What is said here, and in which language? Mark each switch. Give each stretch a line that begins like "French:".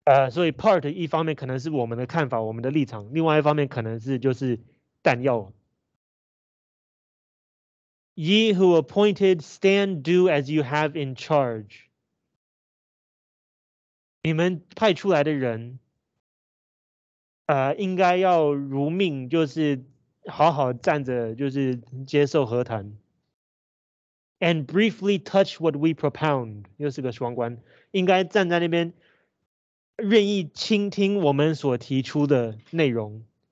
Chinese: 所以 part 一方面可能是我们的看法，我们的立场，另外一方面可能是就是弹药。
English: Ye who appointed, stand do as you have in charge。
Chinese: 你们派出来的人，应该要如命，就是好好站着，就是接受和谈。
English: And briefly touch what we propound，
Chinese: 又是个双关，应该站在那边，愿意倾听我们所提出的内容。